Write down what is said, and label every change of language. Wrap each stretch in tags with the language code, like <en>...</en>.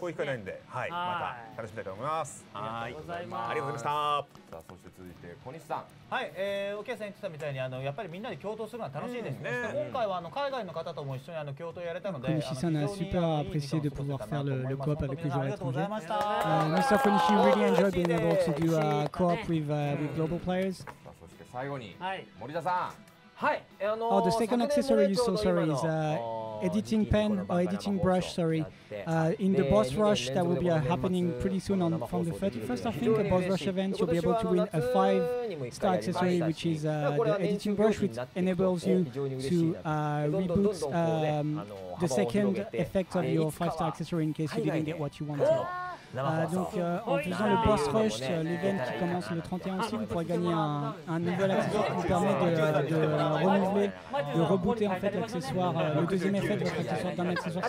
<ja>こういう機会ないんで、はい、また楽しみたいと思います。はい、ありがとうございます。ありがとうございました。さあそして続いて小西さん、はい、沖山さん言ってたみたいにやっぱりみんなで共闘するのは楽しいですね。今回は海外の方とも一緒に共闘やれたので、小西さん非常にいい時間を過ごせたなと思います。ありがとうございました。</ja> <en>Mr. Konishi really enjoyed being able to do a co-op with global players。</en> <ja>さあそして最後に森田さん、</ja> <en>Oh, the second accessory you saw, sorry, is editing pen or editing brush, sorry. In the boss rush that will be happening pretty soon on from the 31st, I think, the boss rush event, you'll be able to win a 5-star accessory, which is the editing brush, which enables you to reboot the second effect of your 5-star accessory in case you didn't get what you wanted.</en> <fr>Donc en faisant le boss rush, l'event qui commence le 31 aussi, vous pourrez gagner un nouvel accessoire qui vous permet de renouveler, de rebooter en fait l'accessoire, le deuxième effet de votre accessoire d'un accessoire</fr>